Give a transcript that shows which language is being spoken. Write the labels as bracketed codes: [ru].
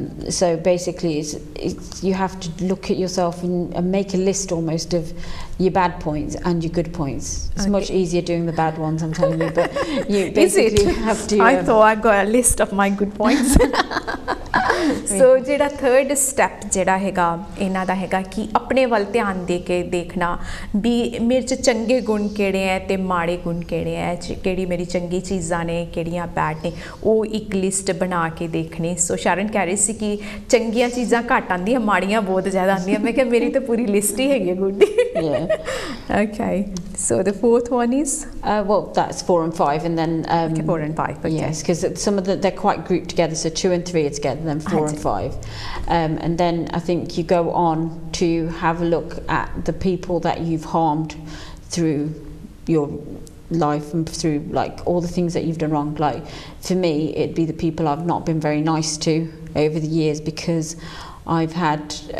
[en] So basically, it's you have to look at yourself and make a list almost of your bad points and your good points. It's okay. much easier doing the bad ones, I'm telling you. But you basically have to. I thought I got a list of my good points. [pa] ਸੋ ਜਿਹੜਾ third step ਜਿਹੜਾ ਹੈਗਾ ਇਹਨਾਂ ਦਾ ਹੈਗਾ ਕਿ ਆਪਣੇ ਵੱਲ ਧਿਆਨ ਦੇ ਕੇ ਦੇਖਣਾ ਵੀ ਮੇਰੇ 'ਚ ਚੰਗੇ ਗੁਣ ਕਿਹੜੇ ਹੈ ਅਤੇ ਮਾੜੇ ਗੁਣ ਕਿਹੜੇ ਹੈ ਕਿਹੜੀ ਮੇਰੀ ਚੰਗੀ ਚੀਜ਼ਾਂ ਨੇ ਕਿਹੜੀਆਂ ਬੈਡ ਨੇ ਉਹ ਇੱਕ ਲਿਸਟ ਬਣਾ ਕੇ ਦੇਖਣੀ ਸੋ ਸ਼ਾਰਨ ਕਹਿ ਰਹੀ ਸੀ ਕਿ ਚੰਗੀਆਂ ਚੀਜ਼ਾਂ ਘੱਟ ਆਉਂਦੀਆਂ ਮਾੜੀਆਂ ਬਹੁਤ ਜ਼ਿਆਦਾ ਆਉਂਦੀਆਂ ਮੈਂ ਕਿਹਾ ਮੇਰੀ ਤਾਂ ਪੂਰੀ ਲਿਸਟ ਹੀ ਹੈਗੀ ਹੈ [en] good okay so the fourth one is well that's 4 and 5 and then 4 and 5 but yes ਕਿਉਂਕਿ some of they are quite grouped together so 2 and 3 is together then 4 and 5 and then I think you go on to have a look at the people that you've harmed through your life and through like all the things that you've done wrong like for me it'd be the people I've not been very nice to over the years because I've had